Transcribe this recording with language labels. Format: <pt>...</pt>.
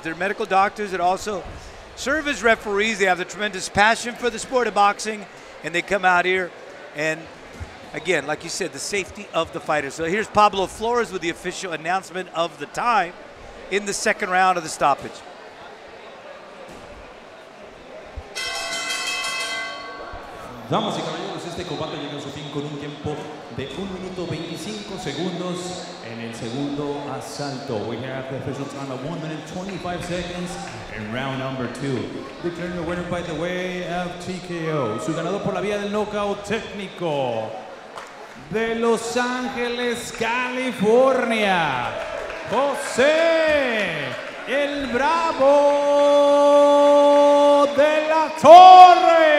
<en>They're medical doctors that also serve as referees. They have a tremendous passion for the sport of boxing, and they come out here. And again, like you said, the safety of the fighters. So here's Pablo Flores with the official announcement of the time in the second round of the stoppage.</en> <es>Damas y caballeros, este combate llega a su fin con un tiempo de 1 minuto 25 segundos en el segundo asalto.</es> <en>We have the official time of 1 minute 25 seconds in round number 2. Declaring the winner by the way of TKO.</en> <es>Su ganador por la vía del knockout técnico de Los Ángeles, California, José El Bravo de la Torre.</es>